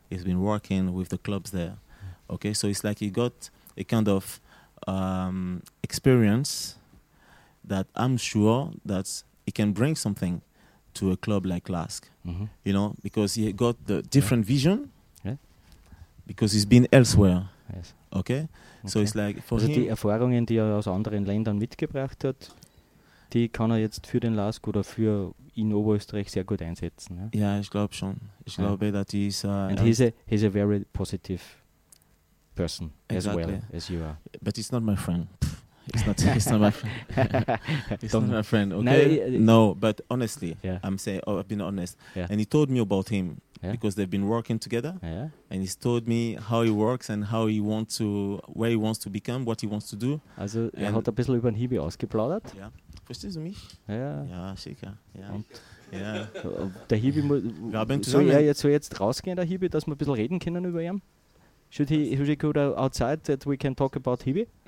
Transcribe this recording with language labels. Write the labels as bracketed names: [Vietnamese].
[English] He's been working with the clubs there. Okay, so it's like he got a kind of experience that I'm sure that he can bring something to a club like LASK. Mm-hmm. You know, because he got the different vision. Yeah. Because he's been elsewhere. Yes. Okay, so it's like for also him. [German] Also die Erfahrungen, die er aus anderen Ländern mitgebracht hat, die kann er jetzt für den LASK oder für in Oberösterreich sehr gut einsetzen. Ja, yeah, ich glaube schon. Ich glaube, dass he's. [English] And he's a very positive person exactly. As well as you are. But he's not my friend. It's not my friend. It's not my friend. Okay. No, but honestly, I've been honest. Yeah. And he told me about him because they've been working together. Yeah. And he's told me how he works and how he wants to, where he wants to become, what he wants to do. [German] Also, er hat ein bisschen über den Hibi ausgeplaudert. Ja. Verstehst du mich? Ja. Ja, sicher. Ja. Und ja. Der Hibi muss. Soll jetzt rausgehen, der Hibi, dass wir ein bisschen reden können über ihn? [English] Should he go outside that we can talk about Hibi?